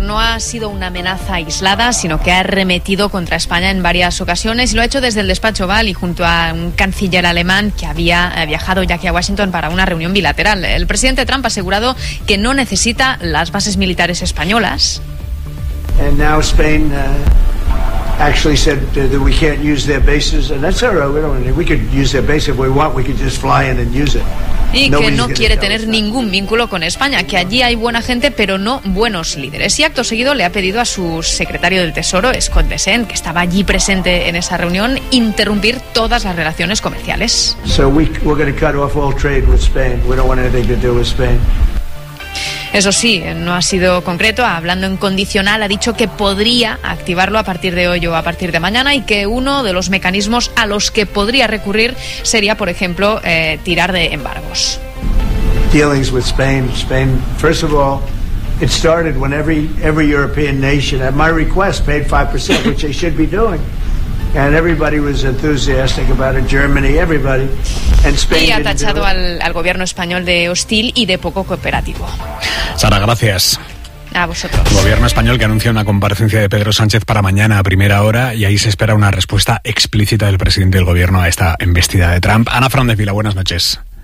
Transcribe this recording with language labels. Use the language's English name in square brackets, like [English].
[Spanish] No ha sido una amenaza aislada, sino que ha arremetido contra España en varias ocasiones y lo ha hecho desde el despacho Oval y junto a un canciller alemán que había viajado ya aquí a Washington para una reunión bilateral. El presidente Trump ha asegurado que no necesita las bases militares españolas. [English] And now Spain actually said that we can't use their bases, and that's all right. We could use their base if we want. We could just fly in and use it. [Spanish] Y que no quiere tener ningún vínculo con España, que allí hay buena gente, pero no buenos líderes. Y acto seguido le ha pedido a su secretario del Tesoro, Scott Bessent, que estaba allí presente en esa reunión, interrumpir todas las relaciones comerciales. [English] We're going to cut off all trade with Spain. We don't want anything to do with Spain. [Spanish] Eso sí, no ha sido concreto, hablando en condicional, ha dicho que podría activarlo a partir de hoy o a partir de mañana y que uno de los mecanismos a los que podría recurrir sería, por ejemplo, tirar de embargos. [English] Dealings with Spain. Spain, first of all, it started when every European nation, at my request, paid 5%, which they should be doing. And everybody was enthusiastic about it, Germany, everybody. And Spain. [Spanish] Y ha tachado al gobierno español de hostil y de poco cooperativo. Sara, gracias. A vosotros. El gobierno español que anuncia una comparecencia de Pedro Sánchez para mañana a primera hora y ahí se espera una respuesta explícita del presidente del gobierno a esta embestida de Trump. Ana Frandevila, buenas noches.